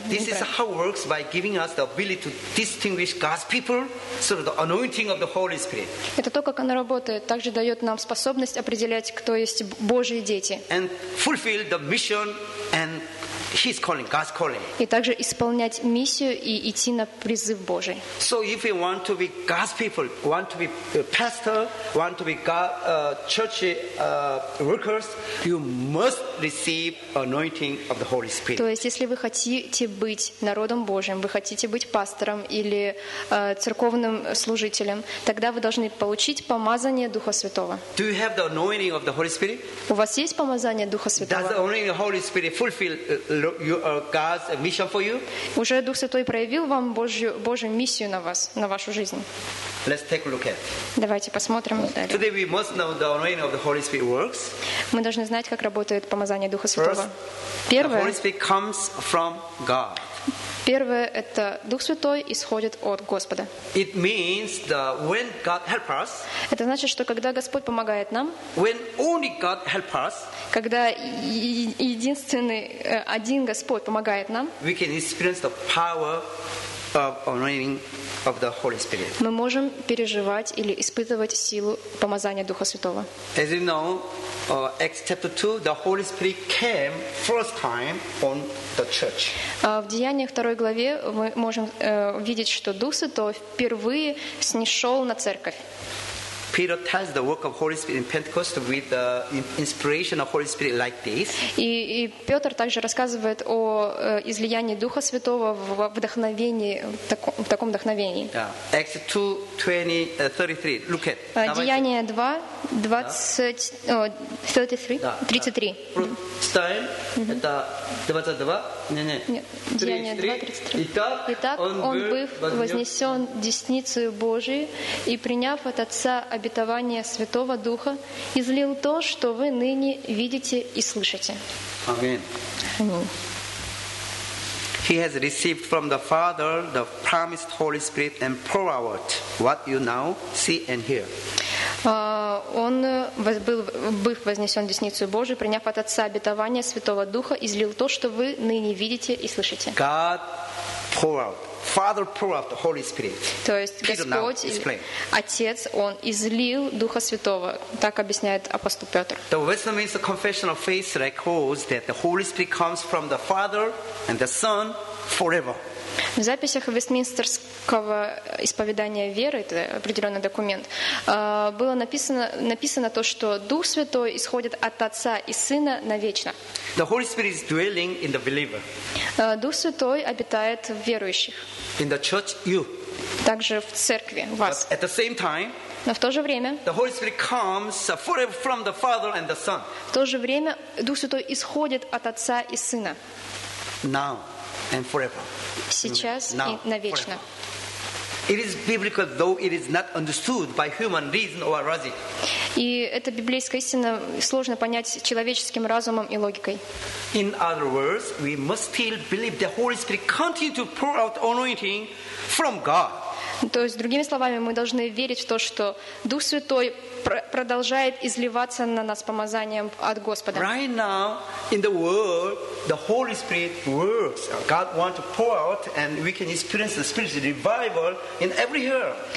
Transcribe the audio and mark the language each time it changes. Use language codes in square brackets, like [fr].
[en] This is how it works by giving us the ability to distinguish God's people through the anointing of the Holy Spirit. [ru] Это то, как оно работает. Также дает нам способность определять, кто есть Божьи дети. [en] And fulfill the mission and His calling, God's calling. [ru] И также исполнять миссию и идти на призыв Божий. [en] So if we want to be God's people, want to be pastor, want to be God, church workers, you must receive anointing of the Holy Spirit. [ru] То есть, если вы хотите быть народом Божьим, вы хотите быть пастором или церковным служителем, тогда вы должны получить помазание Духа Святого. [en] Do you have the anointing of the Holy Spirit? [ru] У вас есть помазание Духа Святого? [en] Does the anointing of the Holy Spirit fulfill God's mission for you? [ru] Уже Дух Святой проявил вам Божью миссию на вас, на вашу жизнь. [en] Let's take a look at. [ru] Давайте посмотрим далее. [en] Today we must know the anointing of the Holy Spirit works. [ru] Мы должны знать, как работает помазание Духа Святого. Первое. [en] The Holy Spirit comes from God. [ru] Первое – это Дух Святой исходит от Господа. [en] It means that when God help us, [ru] это значит, что когда Господь помогает нам, [en] when only God help us, [ru] когда единственный, один Господь помогает нам, [en] we can experience the power of anointing of the Holy Spirit. [ru] Мы можем переживать или испытывать силу помазания Духа Святого. [en] As you know, Acts chapter 2, the Holy Spirit came first time on the church. [ru] В Деяниях 2 главе мы можем видеть, что Дух Святой впервые снизошел на церковь. [en] Peter tells the work of Holy Spirit in Pentecost with the inspiration of Holy Spirit like this. [ru] И Петр также рассказывает о излиянии Духа Святого в вдохновении, в таком вдохновении. [en] Acts 2:20-33. Look at. [ru] Деяния 2:33. Итак, он был вознесен десницей Божией и приняв от Отца обетование Святого Духа излил то, что вы ныне видите и слышите. Аминь. [en] He has received from the Father the promised Holy Spirit and poured out what you now see and hear. [ru] Он был вознесен десницей Божией, приняв от Отца обетование Святого Духа, излил то, что вы ныне видите и слышите. [en] God poured out. Father poured out the Holy Spirit. [ru] То есть Господь, Отец, Он излил Духа Святого. Так объясняет апостол Петр. [en] The Westminster Confession of Faith records that the Holy Spirit comes from the Father and the Son forever. [ru] В записях Вестминстерского исповедания веры, это определенный документ, было написано то, что Дух Святой исходит от Отца и Сына навечно. [en] The Holy Spirit is dwelling in the believer. [ru] Дух Святой обитает в верующих. [en] In the church, you. [ru] Также в церкви, вас. [en] But at the same time, [ru] но в то же время [en] the Holy Spirit comes forever from the Father and the Son. [ru] В то же время Дух Святой исходит от Отца и Сына. [en] Now. And forever. [ru] Сейчас [en] now, [ru] и навечно. [en] Forever. It is biblical, though it is not understood by human reason or logic. [ru] И эта библейская истина сложно понять человеческим разумом и логикой. [en] In other words, we must still believe the Holy Spirit continues to pour out anointing from God. [ru] То есть, другими словами, мы должны верить в то, что Дух Святой продолжает изливаться на нас помазанием от Господа. [en] Right now, in the world, the Holy Spirit works. God wants to pour out, and we can experience the spiritual revival in every heart.